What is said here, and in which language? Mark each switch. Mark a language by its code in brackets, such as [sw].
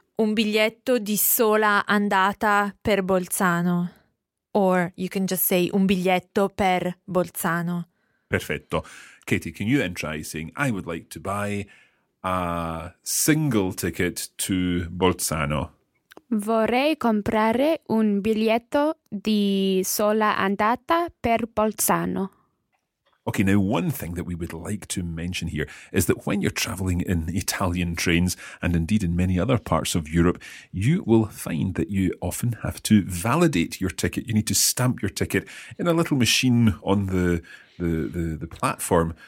[it] un biglietto di sola andata per Bolzano. [en] Or you can just say [it] un biglietto per Bolzano. Perfetto. [en] Katie, can you then try saying I would like to buy a single ticket to Bolzano? [it] Vorrei comprare un biglietto di sola andata per Bolzano. [en] Okay, now one thing that we would like to mention here is that when you're travelling in Italian trains, and indeed in many other parts of Europe, you will find that you often have to validate your ticket. You need to stamp your ticket in a little machine on the platform.